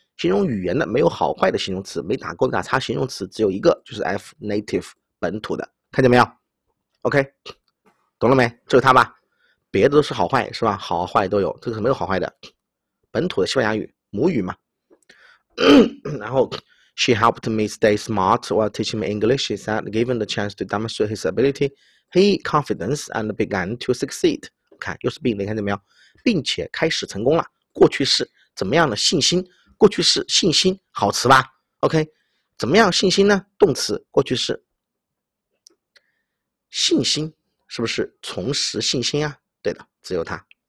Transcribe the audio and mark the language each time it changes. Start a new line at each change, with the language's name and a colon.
Chinese: 形容语言的没有好坏的形容词，没打勾打叉形容词只有一个，就是 F native 本土的，看见没有 ？OK， 懂了没？就是它吧，别的都是好坏是吧？好坏都有，这个是没有好坏的，本土的西班牙语母语嘛。然后
English: ，She helped me stay smart while teaching me English. She said, given the chance to demonstrate his ability, he confidence and began to succeed.
Chinese: 看，又是并列，看见没有？并且开始成功了，过去式怎么样的信心？过去式信心，好词吧 ？OK， 怎么样？信心呢？动词过去式，信心是不是重拾信心啊？对的，只有它。